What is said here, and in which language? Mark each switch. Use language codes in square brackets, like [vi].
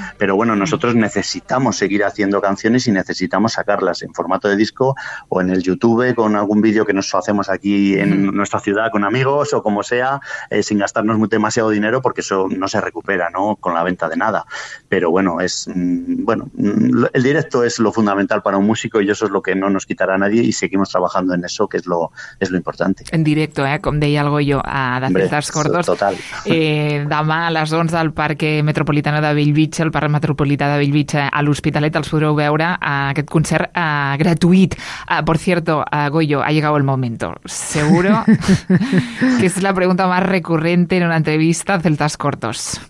[es] Pero bueno, nosotros necesitamos seguir haciendo canciones y necesitamos sacarlas en formato de disco o en el YouTube con algún vídeo que nos hacemos aquí en nuestra ciudad con amigos o como sea, sin gastarnos demasiado dinero, porque eso no se recupera, ¿no?, con la venta de nada. Pero bueno, es bueno, el directo es lo fundamental para un músico y eso es lo que no nos quitará nadie y seguimos trabajando en eso, que es lo importante. En directo, como deia algo yo a d'Acertes Cordos. [ca] Total. Demà a les 11 al Parque Metropolitano de Bellvitge, el Parc Metropolità de Bellvitge, a l'Hospitalet, els podreu veure aquest concert gratuït. [es] Por cierto, Goyo, ha llegado el momento. Seguro que es la pregunta más recurrente en una entrevista a Celtas Cortos.